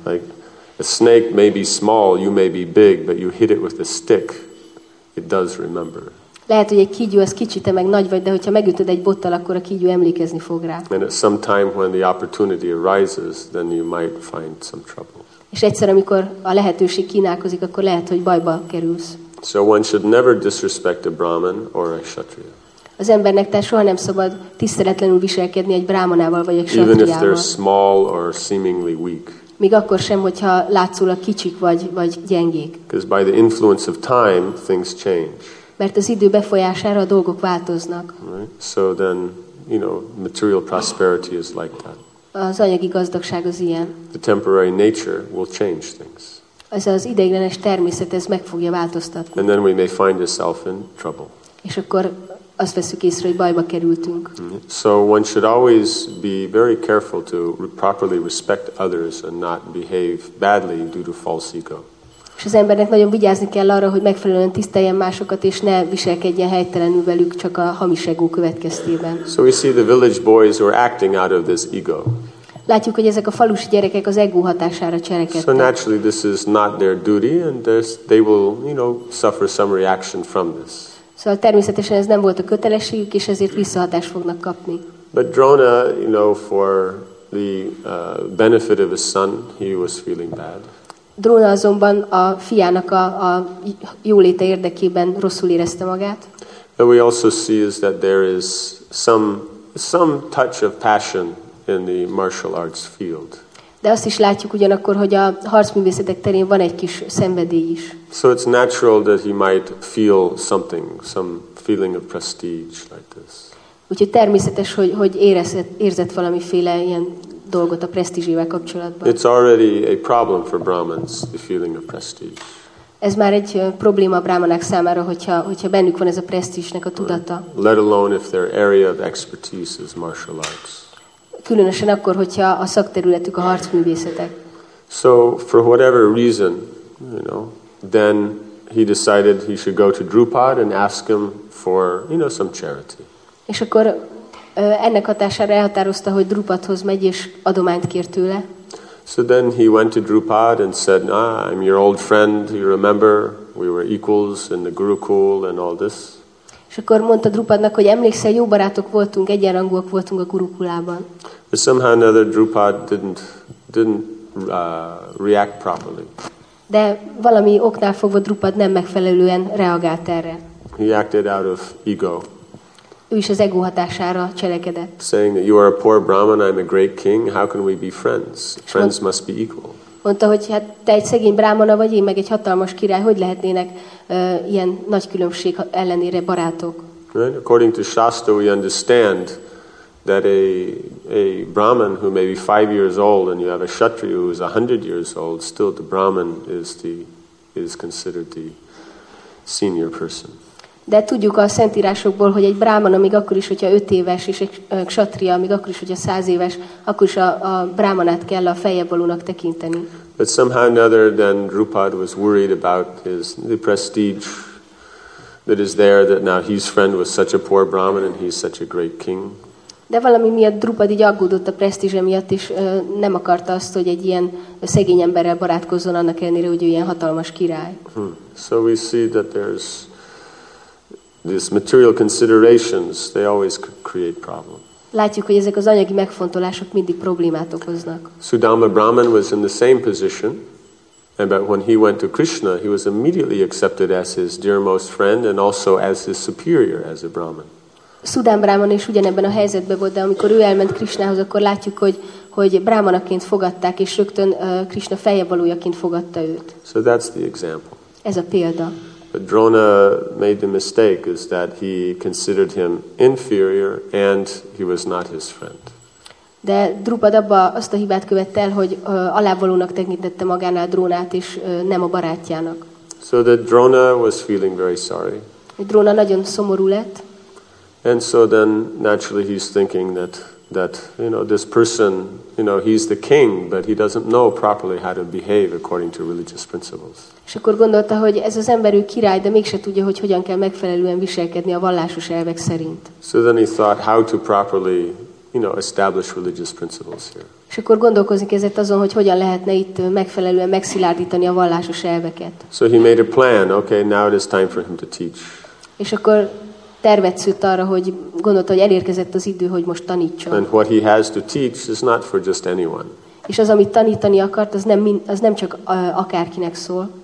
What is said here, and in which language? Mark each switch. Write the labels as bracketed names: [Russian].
[English] Like a snake may be small, you may be big, but you hit it with a stick, it does remember. [Hungarian] Lehet, hogy egy kígyó az kicsi, te meg nagy vagy, de hogyha megütöd egy bottal, akkor a kígyó emlékezni fog rá. [English] And at some time when the opportunity arises, then you might find some trouble. [Hungarian] És egyszer, amikor a lehetőség kínálkozik, akkor lehet, hogy bajba kerülsz. [English] So one should never disrespect a Brahmin or a Kshatriya. [Hungarian] Az embernek tehát soha nem szabad tiszteletlenül viselkedni egy brámanával vagy egy Kshatriával. [English] Even if they're small or seemingly weak. [Hungarian] Még akkor sem, hogyha látszólag kicsik vagy gyengék. [English] Because by the influence of time, things change. [Hungarian] Mert az idő befolyására a dolgok változnak. [English] Right? So then, you know, material prosperity is like that. [Hungarian] Az anyagi gazdagság az ilyen. [English] The temporary nature will change things. [Hungarian] Ez az ideiglenes természet, ez meg fogja változtatni. [English] And then we may find ourselves in trouble. [Hungarian] És akkor azt veszük észre, hogy bajba kerültünk. [English] So one should always be very careful to properly respect others and not behave badly due to false ego. [Hungarian] És az embernek nagyon vigyázni kell arra, hogy megfelelően tiszteljen másokat, és ne viselkedjen helytelenül velük csak a hamis ego következtében. [English] So we see the village boys who are acting out of this ego. [Hungarian] Látjuk, hogy ezek a falusi gyerekek az ego hatására cselekedtek. [English] So naturally this is not their duty and they will, you know, suffer some reaction from this. [Hungarian] Szóval természetesen ez nem volt a kötelességük, és ezért visszahatást fognak kapni. [English] But Drona, you know, for the benefit of his son, he was feeling bad. [Hungarian] Drona azonban a fiának a jóléte érdekében rosszul érezte magát. [English] But we also see is that there is some touch of passion in the martial arts field. [Hungarian] De azt is látjuk ugyanakkor, hogy a harcművészetek terén van egy kis szenvedély is. [English] So it's natural that he might feel something, some feeling of prestige like this. [Hungarian] Úgyhogy természetes, hogy érzett valamiféle ilyen dolgot a presztízsével kapcsolatban. [English] It's already a problem for Brahmins, the feeling of prestige. [Hungarian] Ez már egy probléma a brahmanák számára, hogyha bennük van ez a presztízsnek a tudata. [English] Let alone if their area of expertise is martial arts. [Hungarian] Különösen akkor, hogyha a szakterületük a harcművészetek. [English] So for whatever reason, you know, then he decided he should go to Drupad and ask him for, you know, some charity. [Hungarian] És akkor ennek hatására elhatározta, hogy Drupadhoz megy és adományt kér tőle. [English] So then he went to Drupad and said, "Ah, I'm your old friend. You remember we were equals in the Gurukul and all this." [Hungarian] És akkor mondta Drupadnak, hogy emlékszel, jó barátok voltunk, egyenrangúak voltunk a Gurukulában. [English] But somehow another Drupad didn't react properly. [Hungarian] De valami oknál fogva Drupad nem megfelelően reagált erre. [English] He acted out of ego. [Hungarian] Ő is az ego hatására cselekedett. [English] Saying that you are a poor Brahman, I'm a great king, how can we be friends? Friends must be equal. [Hungarian] Mondta, hogy hát te egy szegény brámana vagy, én meg egy hatalmas király, hogy lehetnének ilyen nagy különbség ellenére barátok? [English] Right? According to Shastra, we understand that a Brahman who may be 5 years old and you have a Kshatriya who is 100 years old, still the Brahman is considered the senior person. [Hungarian] De tudjuk a szentírásokból, hogy egy brámana még akkor is, hogyha 5 éves, és egy kshatriya még akkor is, hogyha 100 éves, akkor is a brámanát kell a feljebb valónak tekinteni. [English] But somehow another than Drupad was worried about the prestige that is there, that now his friend was such a poor brahman and he's such a great king. [Hungarian] De valami miatt Drupad így aggódott a presztízse miatt, és nem akarta azt, hogy egy ilyen szegény emberrel barátkozzon, annak ellenére, hogy ő ilyen hatalmas király. [English] So we see that there's these material considerations, they always create problems. [Hungarian] Látjuk, hogy ezek az anyagi megfontolások mindig problémát okoznak. [English] Sudama Brahman was in the same position, and but when he went to Krishna, he was immediately accepted as his dearmost friend and also as his superior as a Brahman. [Hungarian] Sudama Brahman is ugyanebben a helyzetben volt, de amikor ő elment Krishnához, akkor látjuk, hogy brahmanaként fogadták, és rögtön Krishna feljebb valójaként fogadta őt. [English] So that's the example. [Hungarian] Ez a példa. [English] But Drona made the mistake is that he considered him inferior and he was not his friend. [Hungarian] De Drupad abba azt a hibát követte el, hogy alávalónak tekintette magánál Drónát, és nem a barátjának. [English] So that Drona was feeling very sorry. [Hungarian] Drona nagyon szomorú lett. [English] And so then naturally he's thinking that you know, this person, you know, he's the king, but he doesn't know properly how to behave according to religious principles. [Hungarian] És akkor gondolta, hogy ez az ember, ő király, de mégse tudja, hogy hogyan kell megfelelően viselkedni a vallásos elvek szerint. [English] So then he thought how to properly, you know, establish religious principles here. [Hungarian] És akkor gondolkozik ezért azon, hogy hogyan lehetne itt megfelelően megszilárdítani a vallásos elveket. [English] So he made a plan. Okay, now it is time for him to teach. [Hungarian] És akkor tervet szült arra, hogy gondolta, hogy elérkezett az idő, hogy most tanítson. [English] And what he has to teach is not for just anyone. [Hungarian] És az, amit tanítani akart, az nem csak akárkinek szól.